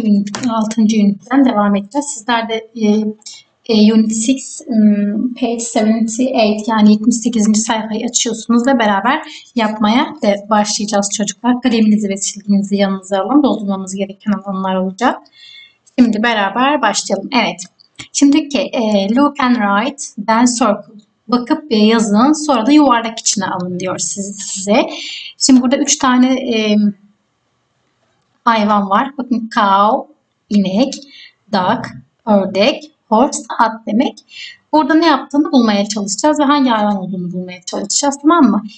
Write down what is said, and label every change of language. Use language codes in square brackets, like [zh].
[tr] üniteden devam edeceğiz. Sizler de [en] Unit 6, page 78, [tr] yani 78. sayfayı açıyorsunuz ve beraber yapmaya da başlayacağız çocuklar. Kaleminizi ve çizginizi yanınıza alın. Doldurmamız gereken alanlar olacak. Şimdi beraber başlayalım. Evet. Şimdiki [en] look and write, then circle. [tr] Bakıp bir yazın, sonra da yuvarlak içine alın diyor size. Şimdi burada üç tane hayvan var. Bakın, cow, inek, duck, ördek. Horse, at demek. Burada ne yaptığını bulmaya çalışacağız ve hangi hayvan olduğunu bulmaya çalışacağız, tamam mı?